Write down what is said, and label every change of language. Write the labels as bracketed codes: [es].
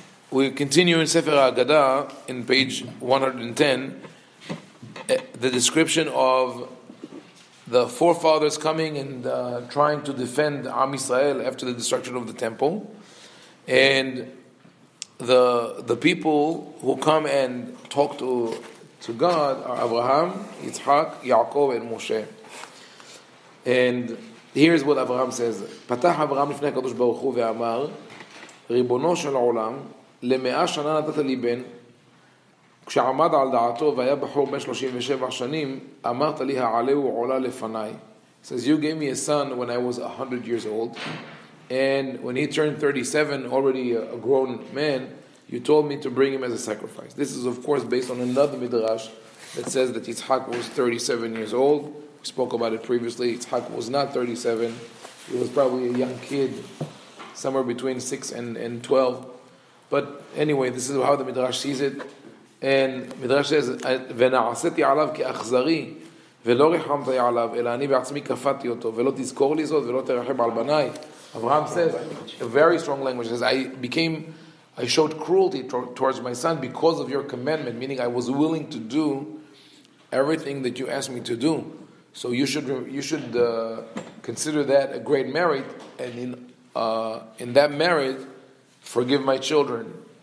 [en] We continue in Sefer Ha-Aggadah, in page 110, the description of the forefathers coming and trying to defend Am Yisrael after the destruction of the temple. And the people who come and talk to God are Abraham, Yitzhak, Yaakov, and Moshe. And here is what Abraham says. [he] Patach Abraham lifnei HaKadosh Baruch Hu ve'amar, Ribono shel olam, למאה שנה נתת לי בן, כשעמד על דעתו והיה בחור בן 37 שנים, אמרת לי העלה הוא עולה לפניי. [en] He says, you gave me a son when I was 100 years old, and when he turned 37, already a grown man, you told me to bring him as a sacrifice. This is of course based on another midrash that says that Yitzhak was 37 years old. We spoke about it previously. Yitzhak was not 37. He was probably a young kid, somewhere between 6 and 12. But anyway, this is how the Midrash sees it. And Midrash says, [he] וְנַעֲשֵׁתִי עָלָיו כְּאַכְזָרִי וְלֹא רִחַמְתָי עָלָיו אֶלָּא אֲנִי בְּעַצְמִי כָּפַתִּי אֹתוֹ וְלֹא תִּזְכּוֹר לִי זֹאת וְלֹא תְּרַחֵם עַל בָּנַי. [en] Avraham says, a very strong language, says, I showed cruelty towards my son because of your commandment, meaning I was willing to do everything that you asked me to do. So you should consider that a great merit, and in that merit, forgive my children.